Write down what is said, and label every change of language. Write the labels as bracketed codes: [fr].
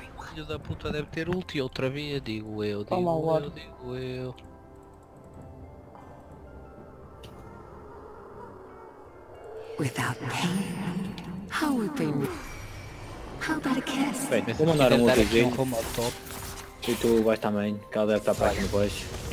[pt] Filho da puta deve ter ulti outra vez, digo eu, digo eu. [en] Without pain, how would they move? How about a kiss? [pt] Bem, vou mandar um ultizinho como ao top. E tu vais também, que ela deve estar para aqui depois.